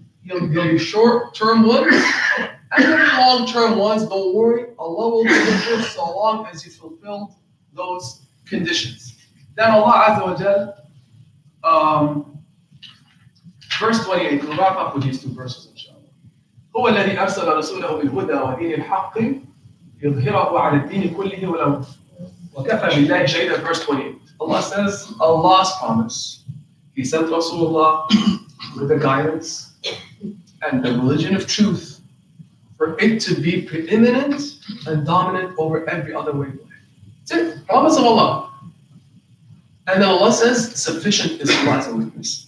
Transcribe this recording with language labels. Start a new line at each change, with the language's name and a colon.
English: He'll give you short-term ones and long-term ones. Don't worry. Allah will give you so long as you fulfill those conditions. Then Allah Azza wa Jal, verse 28, we'll wrap up with these two verses, inshallah.
Arabic: هو الذي أرسل رسوله بالهدى ودين الحق يظهره على الدين كله ولو وكفى بالله شهيدا.
English: Verse 28, Allah says, Allah's promise. He sent Rasulullah with the guidance and the religion of truth for it to be preeminent and dominant over every other way of life. That's it, promise of Allah. And then Allah says, sufficient is Allah's witness.